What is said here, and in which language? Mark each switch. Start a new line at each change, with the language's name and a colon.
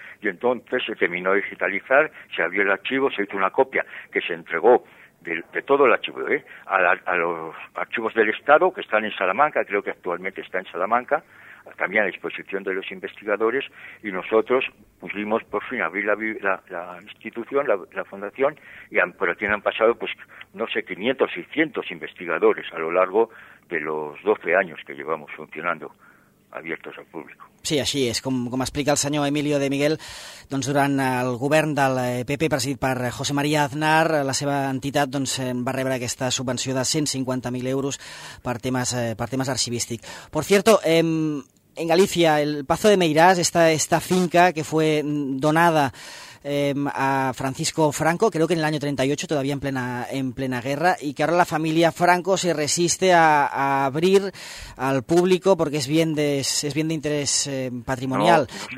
Spanish: Y entonces se terminó de digitalizar, se abrió el archivo, se hizo una copia que se entregó de todo el archivo, a los archivos del Estado, que están en Salamanca, creo que actualmente está en Salamanca, también a disposición de los investigadores, y nosotros pudimos por fin abrir la institución, la fundación, y han pasado, pues, no sé, 500, 600 investigadores a lo largo de los 12 años que llevamos funcionando abiertos al público.
Catalan: Sí, així és. Com explica el senyor Emilio de Miguel, doncs durant el govern del PP presidit per José María Aznar, la seva entitat doncs va rebre aquesta subvenció de 150.000 euros per temes arxivístics.
Spanish: Por cierto, en Galicia, el Pazo de Meirás, esta finca que fue donada a Francisco Franco, creo que en el año 38, todavía en plena guerra, y que ahora la familia Franco se resiste a abrir al público porque es bien de interés patrimonial.